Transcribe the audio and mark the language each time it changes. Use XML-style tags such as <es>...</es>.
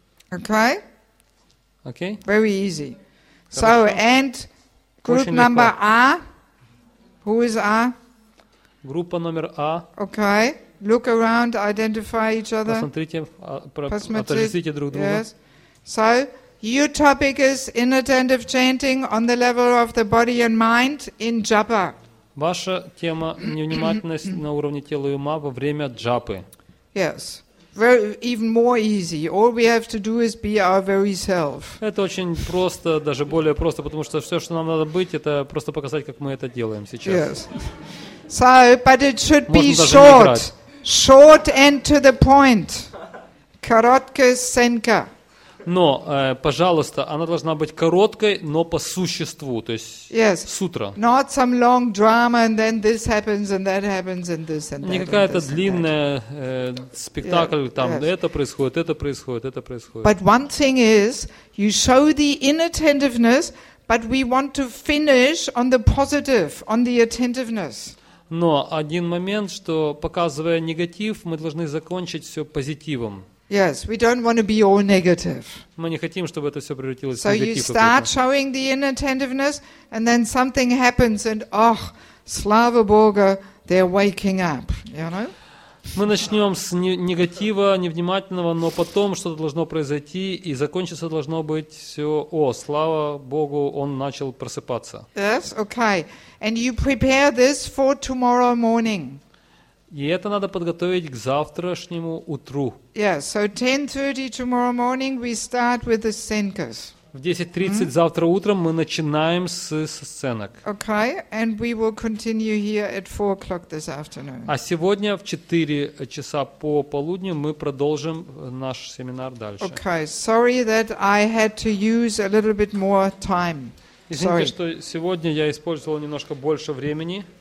<en>Okay. Okay. Very easy.</en> <ru>Хорошо.</ru> <en>So, and group number A. Who is A?</en> <ru>Группа номер А.</ru> <en>Okay. Look around, identify each other.</en> <ru>Посмотрите, отождествите друг друга.</ru> <en>Yes. So, your topic is inattentive chanting on the level of the body and mind in japa.</en> <ru>Ваша тема невнимательность на уровне тела и ума во время джапы.</ru> <en>Yes. Very, even more easy. All we have to do is be our very self.</en> <ru>Это очень просто, даже более просто, потому что все, что нам надо быть, это просто показать, как мы это делаем сейчас.</ru> <en>Yes. So, but it should be short. Short and to the point.</en> <ru>Короткая сценка. Но, пожалуйста, она должна быть короткой, но по существу, то есть</ru> <en>yes.</en> <ru>Сутра.</ru> <en>Not some long drama and then this happens and that happens and this and that.</en> <ru>Не какая-то длинная спектакль,</ru> <en>yeah.</en> <ru>Там</ru> <en>yes.</en> <ru>Это происходит, это происходит, это происходит.</ru> <en>But one thing is, you show the inattentiveness, but we want to finish on the positive, on the attentiveness.</en> <ru>Но один момент, что показывая негатив, мы должны закончить все позитивом.</ru> <en>Yes, we don't want to be all negative.</en> <ru>Мы не хотим, чтобы это все превратилось в негатив.</ru> <en>So you start showing the inattentiveness, and then something happens, and oh,</en> <ru>слава Богу,</ru> <en>they're waking up. You know?</en> <ru>Мы начнем с негатива, невнимательного, но потом что-то должно произойти, и закончиться должно быть все, о, слава Богу, он начал просыпаться.</ru> <en>Yes, okay. And you prepare this for tomorrow morning.</en> <ru>И это надо подготовить к завтрашнему утру.</ru> <en>Yes, so 10:30 tomorrow morning we start with the scenkas.</en> <ru>В 10:30 mm-hmm. завтра утром мы начинаем со сценок.</ru> <en>Okay, and we will continue here at 4:00 this afternoon.</en> <ru>А сегодня в 4 часа по полудню мы продолжим наш семинар дальше.</ru> <en>Okay, sorry that I had to use a little bit more time.</en> <ru>Извините,</ru> <en>sorry.</en> <ru>Что сегодня я использовал немножко больше времени.</ru>